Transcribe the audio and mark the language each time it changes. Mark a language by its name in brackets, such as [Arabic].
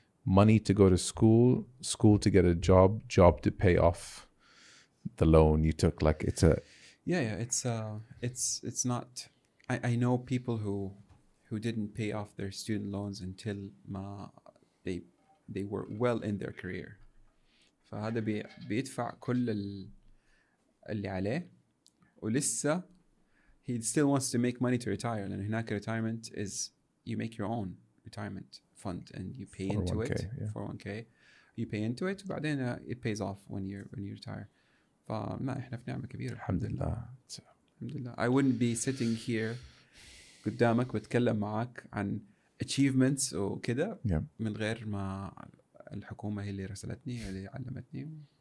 [English] Money to go to school, school to get a job, job to pay off the loan you took. Like it's a... Yeah. It's not... I know people who didn't pay off their student loans until they were well in their career. [Arabic] فهذا بيدفع كل اللي عليه ولسه... [English] He still wants to make money to retire. And [Arabic] هناك [English] retirement is you make your own retirement fund and you pay 401k, into it. Yeah. 401k. You pay into it, but then it pays off when you retire. Alhamdulillah. I wouldn't be sitting here [Arabic] قدامك بتكلم معك عن achievements وكذا من غير ما الحكومة هي اللي رسلتني اللي علمتني.